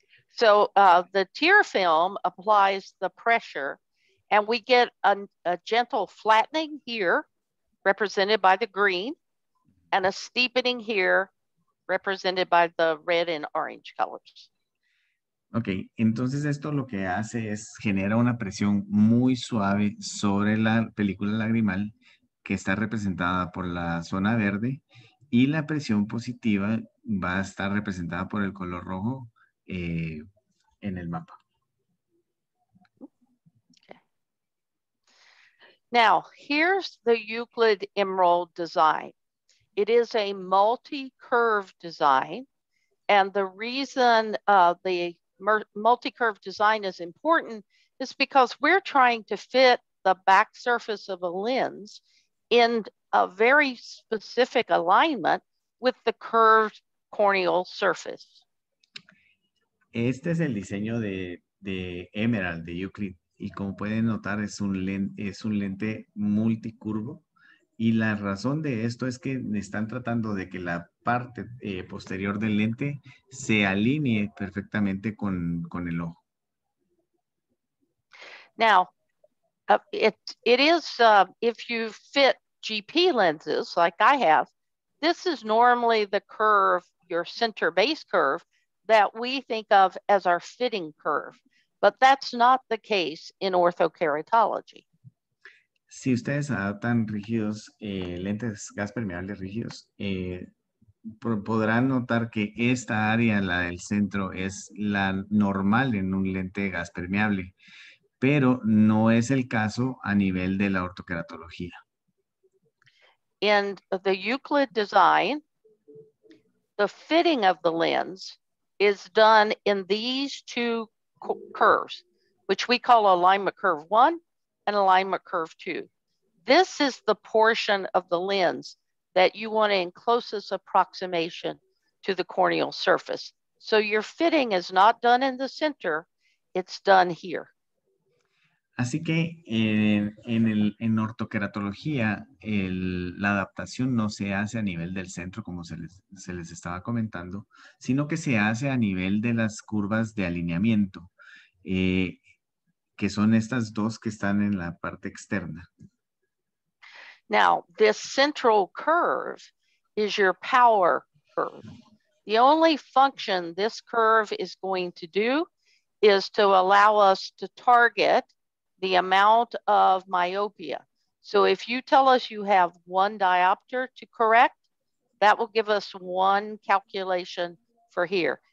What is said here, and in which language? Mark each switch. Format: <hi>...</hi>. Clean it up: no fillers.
<en>So the tear film applies the pressure and we get a gentle flattening here, represented by the green, and a steepening here, represented by the red and orange colors.</en> <es>Ok, entonces esto lo que hace es genera una presión muy suave sobre la película lagrimal que está representada por la zona verde y la presión positiva va a estar representada por el color rojo en el mapa.</es> <en>Okay. Now, here's the Euclid Emerald design. It is a multi-curve design. And the reason the multi-curve design is important is because we're trying to fit the back surface of a lens in a very specific alignment with the curved corneal surface.</en> <es>Este es el diseño de Emerald, de Euclid, y como pueden notar es un lente multicurvo. Y la razón de esto es que están tratando de que la parte posterior del lente se alinee perfectamente con el ojo.</es> <en>Now, it is if you fit GP lenses like I have, this is normally the curve, your center base curve, that we think of as our fitting curve. But that's not the case in orthokeratology.</en> <es>Si ustedes adaptan rígidos, lentes gas permeables rígidos, podrán notar que esta área, la del centro, es la normal en un lente gas permeable, pero no es el caso a nivel de la ortoqueratología.</es> <en>In the Euclid design, the fitting of the lens is done in these two curves, which we call alignment curve one and alignment curve two. This is the portion of the lens that you want in closest approximation to the corneal surface. So your fitting is not done in the center, it's done here.</en> <es>Así que en ortoqueratología, la adaptación no se hace a nivel del centro, como se les estaba comentando, sino que se hace a nivel de las curvas de alineamiento, que son estas dos que están en la parte externa.</es> <en>Now, this central curve is your power curve. The only function this curve is going to do is to allow us to target the amount of myopia. So if you tell us you have one diopter to correct, that will give us one calculation for here.</en>